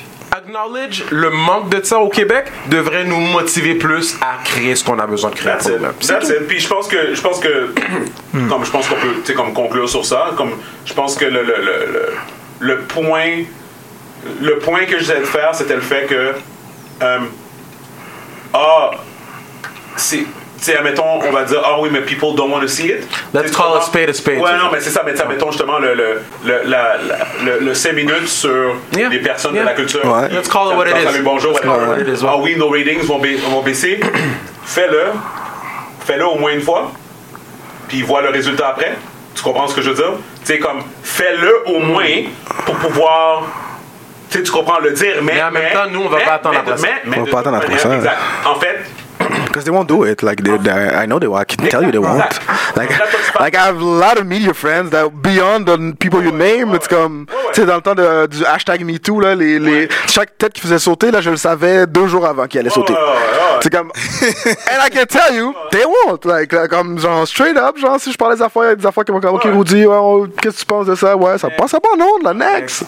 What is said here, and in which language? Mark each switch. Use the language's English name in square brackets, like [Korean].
[French] Acknowledge le manque de ça au Québec devrait nous motiver plus à créer ce qu'on a besoin de créer. [English] That's it. [French] Puis je pense que. comme je pense qu'on peut. Tu sais, comme conclure sur ça. Comme je pense que le point. Le point que je voulais te faire, c'était le fait que. Tu sais, admettons, on va dire, ah oui, mais [English] people don't want to see it. Let's call a spade a spade. [French] Ouais, non, mais c'est ça. Mais tu sais, admettons justement le 5 minutes sur les personnes de la culture. [English] Ouais. Let's call it what it is. [French] Salut, bonjour. [English] Let's call it what it is. [French] Ah oui, nos ratings vont baisser. Fais-le au moins une fois. Puis vois le résultat après. Tu comprends ce que je veux dire? Tu sais, comme, fais-le au moins pour pouvoir. Tu sais, tu comprends le dire, mais. Mais en même temps, nous, on va pas attendre après ça. On va pas attendre après ça. Exact. En fait. [English] Because they won't do it. Like, I know they will. I can tell you they won't. Like, I have a lot of media friends that beyond the people you name, it's comme. [French] Tu sais, dans le temps du hashtag MeToo, là, chaque tête qui faisait sauter, là, je le savais deux jours avant qu'il allait sauter. C'est comme. [English] And I can tell you, they won't. Like, [French] comme, genre, [English] straight up, [French] genre, si je parlais des affaires qui m'ont dit, okay, Rudy, qu'est-ce que tu penses de ça? Ouais, ça passe à bon nom, la next.